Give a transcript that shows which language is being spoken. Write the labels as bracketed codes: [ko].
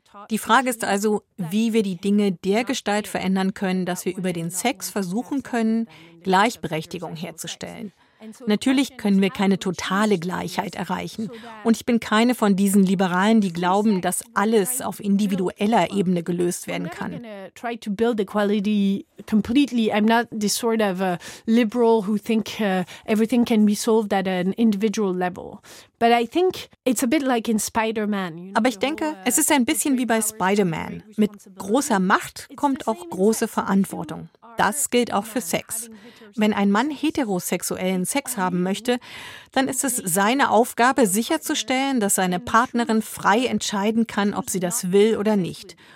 [de] Die Frage ist also, wie wir die Dinge dergestalt verändern können, dass wir über den Sex versuchen können, Gleichberechtigung herzustellen. Natürlich können wir keine totale Gleichheit erreichen. Und ich bin keine von diesen Liberalen, die glauben, dass alles auf individueller Ebene gelöst werden kann. [en] I'm not the sort of a liberal who think everything can be solved at an individual level. But I think it's a bit like in Spider-Man. [de] Aber ich denke, es ist ein bisschen wie bei Spider-Man. Mit großer Macht kommt auch große Verantwortung. Das gilt auch für Sex. Wenn ein Mann heterosexuellen Sex haben möchte, dann ist es seine Aufgabe, sicherzustellen, dass seine Partnerin frei entscheiden kann, ob sie das will oder nicht.